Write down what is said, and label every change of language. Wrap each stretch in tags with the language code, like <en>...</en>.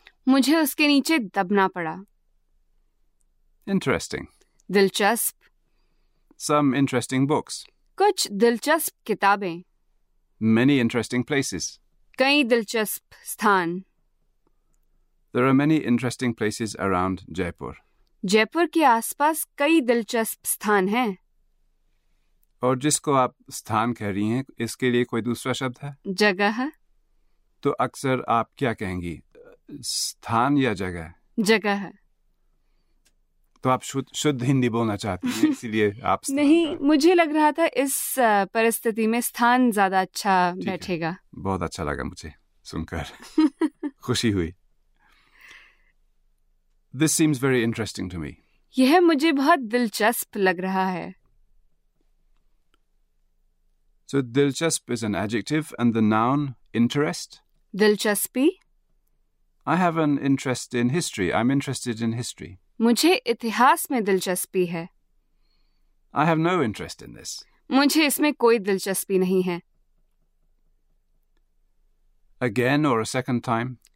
<hi>मुझे उसके नीचे दबना पड़ा.</hi> <en>Interesting.</en> <hi>दिलचस्प.</hi> <en>Some interesting books.</en> <hi>कुछ दिलचस्प किताबें.</hi> <en>Many interesting places.</en> <hi>कई दिलचस्प स्थान.</hi> <en>There are many interesting places around Jaipur.</en> <hi>Jaipur के आसपास कई दिलचस्प स्थान हैं. और जिसको आप स्थान कह रही हैं, इसके लिए कोई दूसरा शब्द है? जगह. तो अक्सर आप क्या कहेंगी, स्थान या जगह? जगह है. तो आप शुद्ध हिंदी बोलना चाहती हैं, इसलिए आप स्थान. नहीं, मुझे लग रहा था इस परिस्थिति में स्थान ज्यादा अच्छा बैठेगा. बहुत अच्छा लगा मुझे सुनकर. खुशी हुई.</hi> <en>This seems very interesting to me.</en> <hi>यह मुझे बहुत दिलचस्प लग रहा है.</hi> <en>So दिलचस्प is an adjective and the noun interest.</en> <hi>Dilchaspi.</hi> <en>I have an interest in history. I'm interested in history.</en> <hi>Mujhe itihas mein dilchaspi hai.</hi> <en>I have no interest in this.</en> <hi>Mujhe isme koi dilchaspi nahi hai.</hi> <en>Again or a second time?</en>